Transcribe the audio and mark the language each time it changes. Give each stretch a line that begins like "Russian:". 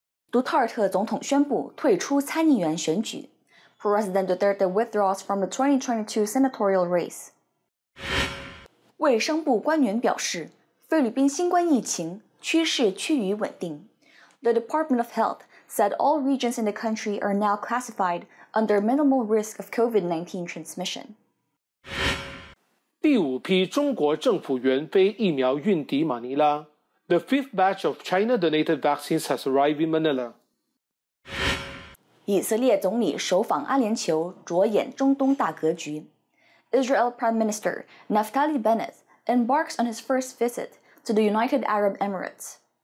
Chinese: Duterte 总统宣布退出参议员选举。
English: President Duterte withdraws from the 2022 senatorial race.
Chinese: 卫生部官员表示，菲律宾新冠疫情趋势趋于稳定。
English: The Department of Health said all regions in the country are now classified under minimal risk of COVID-19 transmission.
Chinese: 第五批中国政府援非疫苗运抵马尼拉。
English: The fifth batch of China-donated vaccines has arrived in Manila.
Chinese: 以色列总理首访阿联酋，着眼中东大格局。
English: Israel Prime Minister Naftali Bennett embarks on his first visit to the United Arab Emirates.